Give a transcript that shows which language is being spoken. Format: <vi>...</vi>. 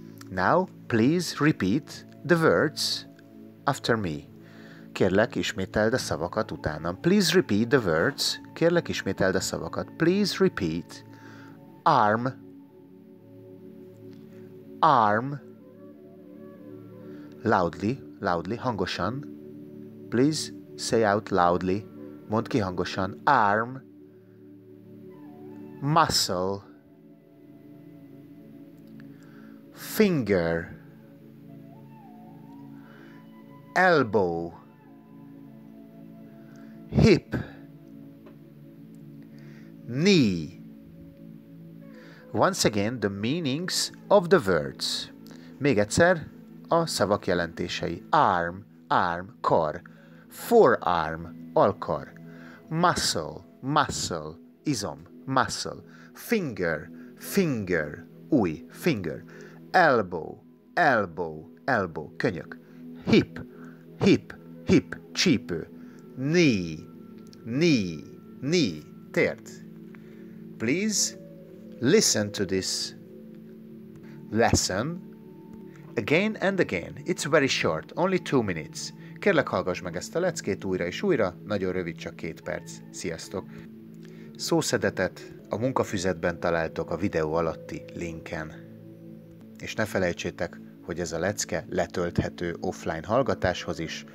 <en>Now, please repeat the words after me.</en> <hu>Kérlek, ismételd a szavakat utánam.</hu> <en>Please repeat the words.</en> <hu>Kérlek, ismételd a szavakat.</hu> <en>Please repeat. Arm. Arm. Loudly, loudly,</en> <hu>hangosan.</hu> <en>Please say out loudly.</en> <hu>Mondd ki hangosan.</hu> <en>Arm. Muscle. Finger, elbow, hip, knee. Once again, the meanings of the words.</en> <hu>Még egyszer a szavak jelentései.</hu> <en>Arm, arm,</en> <hu>kar.</hu> <en>Forearm,</en> <hu>alkar.</hu> <en>Muscle, muscle,</en> <hu>izom,</hu> <en>muscle. Finger, finger,</en> <hu>ujj,</hu> <en>finger. Elbow, elbow, elbow,</en> <hu>könyök.</hu> <en>Hip, hip, hip,</en> <hu>csípő.</hu> <en>Knee, knee, knee,</en> <hu>térd.</hu> <en>Please listen to this lesson again and again. It's very short, only 2 minutes.</en> <hu>Kérlek, hallgass meg ezt a leckét újra és újra, nagyon rövid, csak 2 perc. Sziasztok! Szószedetet a munkafüzetben találtok a videó alatti linken. És ne felejtsétek, hogy ez a lecke letölthető offline hallgatáshoz is.</hu>